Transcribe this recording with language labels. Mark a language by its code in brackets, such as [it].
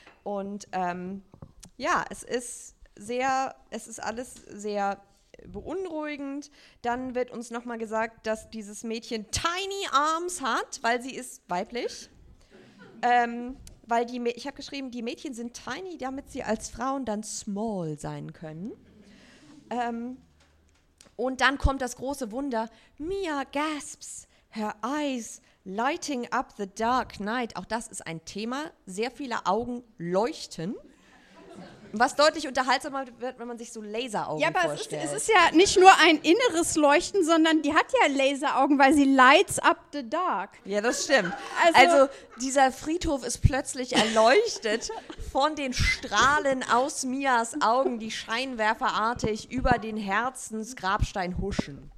[de] Und es ist alles sehr beunruhigend. Dann wird uns nochmal gesagt, dass dieses Mädchen [en] tiny arms [de] hat, weil sie ist weiblich. Weil die, ich habe geschrieben, die Mädchen sind tiny, damit sie als Frauen dann small sein können. Und dann kommt das große Wunder. [en] Mia gasps, her eyes lighting up the dark night. [de] Auch das ist ein Thema. Sehr viele Augen leuchten. Was deutlich unterhaltsamer wird, wenn man sich so Laseraugen vorstellt. Ja, aber es ist ja nicht nur ein inneres Leuchten, sondern die hat ja Laseraugen, weil sie [en] lights up the dark. [de] Ja, das stimmt. Also dieser Friedhof ist plötzlich erleuchtet von den Strahlen aus Mias Augen, die scheinwerferartig über den Herzensgrabstein huschen.